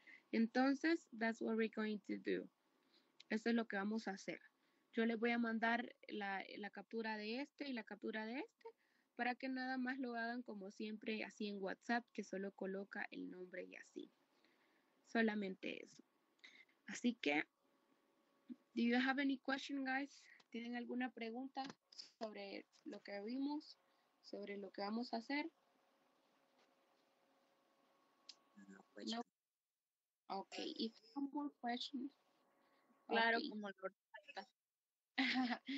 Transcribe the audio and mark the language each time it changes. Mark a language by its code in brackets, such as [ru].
[es] Entonces, [en] that's what we're going to do. [es] Eso es lo que vamos a hacer. Yo les voy a mandar la captura de este y la captura de este para que nada más lo hagan como siempre, así en WhatsApp, que solo coloca el nombre y así. Solamente eso. Así que, [en] do you have any question, guys? [es] ¿Tienen alguna pregunta sobre lo que vimos, sobre lo que vamos a hacer? No. [en] Ok, ¿y some more questions? [es] Claro, okay. Como lo falta.